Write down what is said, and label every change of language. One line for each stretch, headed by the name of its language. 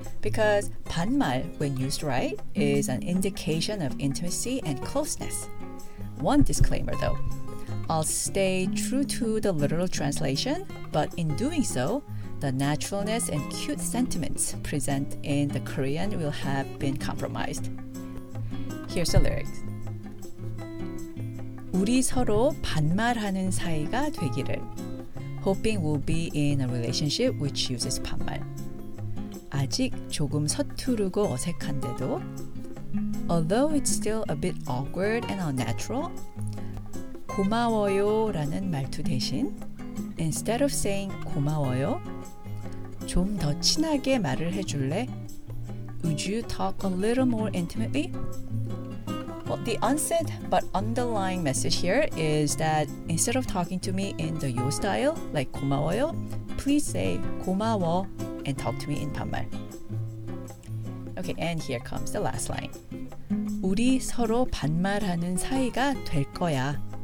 English: Because 반말, when used right, is an indication of intimacy and closeness. One disclaimer though, I'll stay true to the literal translation, but in doing so, the naturalness and cute sentiments present in the Korean will have been compromised. Here's the lyrics.
Korean: 우리 서로 반말하는 사이가 되기를.
English: Hoping we'll be in a relationship which uses 반말.
Korean: 아직 조금 서투르고 어색한데도.
English: Although it's still a bit awkward and unnatural.
Korean: 고마워요 라는 말투 대신
English: instead of saying
Korean: 고마워요 좀 더 친하게 말을 해줄래?
English: Would you talk a little more intimately? Well, the unsaid but underlying message here is that instead of talking to me in the 요 style like 고마워요, please say 고마워 and talk to me in 반말. Okay, and here comes the last line.
Korean: 우리 서로 반말하는 사이가 될 거야.